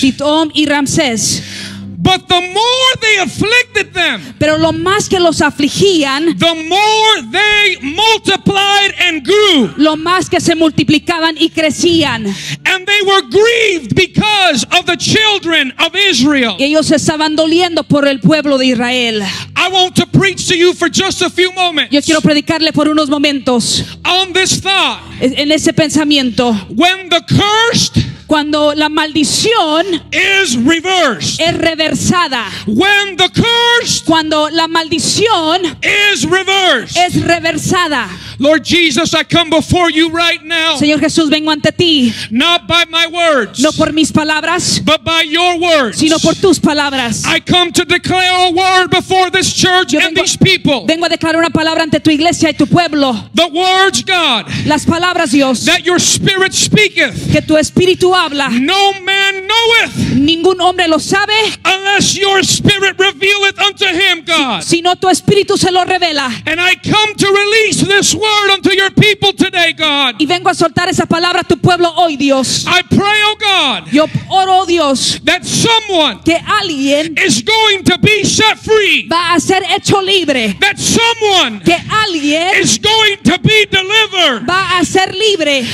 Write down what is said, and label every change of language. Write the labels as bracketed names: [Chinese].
[Spanish] Pitón y Ramsés. [English] But the more they afflicted them, [Spanish] pero lo más que los afligían, [English] the more they multiplied and grew, [Spanish] lo más que se multiplicaban y crecían, [English] and they were grieved because of the children of Israel. [Spanish] Y ellos estaban doliendo por el pueblo de Israel. [English] I want to preach to you for just a few moments. [Spanish] Yo quiero predicarle por unos momentos. [English] On this thought, [Spanish] en ese pensamiento, [English] when the cursed. [Spanish] Cuando la maldición [English] is reversed. [Spanish] Es reversada. [English] When the curse. [Spanish] Cuando la maldición [English] is reversed. [Spanish] Es reversada. [English] Lord Jesus, I come before you right now. [Spanish] Señor Jesús, vengo ante ti. [English] Not by my words. [Spanish] No por mis palabras. [English] But by your words. [Spanish] Sino por tus palabras. [English] I come to declare a word before this church and these people. [Spanish] Vengo a declarar una palabra ante tu iglesia y tu pueblo. [English] The words, God. [Spanish] Las palabras, Dios. [English] That your spirit speaketh. [Spanish] Que tu espíritu habla. [English] No man knoweth. [Spanish] Ningún hombre lo sabe. [English] Unless your spirit revealeth unto him, God. [Spanish] Sino tu espíritu se lo revela. [English] And I come to release this word unto your people today, God. [Spanish] Y vengo a soltar esa palabra a tu pueblo hoy, Dios. [English] I pray, oh God. [Spanish] Yo oro, Dios. [English] That someone. [Spanish] Que alguien. [English] Is going to be set free. [Spanish] Va a ser hecho libre. [English] That someone. [Spanish] Que alguien. [English] Is going to be delivered. [Spanish] Va a ser libre.